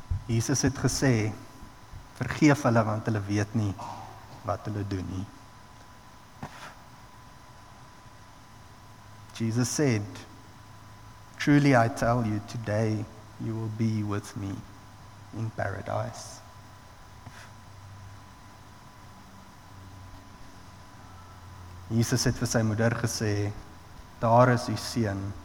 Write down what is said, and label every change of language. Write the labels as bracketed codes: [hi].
[af] Jesus het gesê, vergeef hulle want hulle weet nie wat hulle doen nie. [en] Jesus said, truly I tell you, today you will be with me in paradise. [af] Jesus het vir sy moeder gesê, daar is u seun.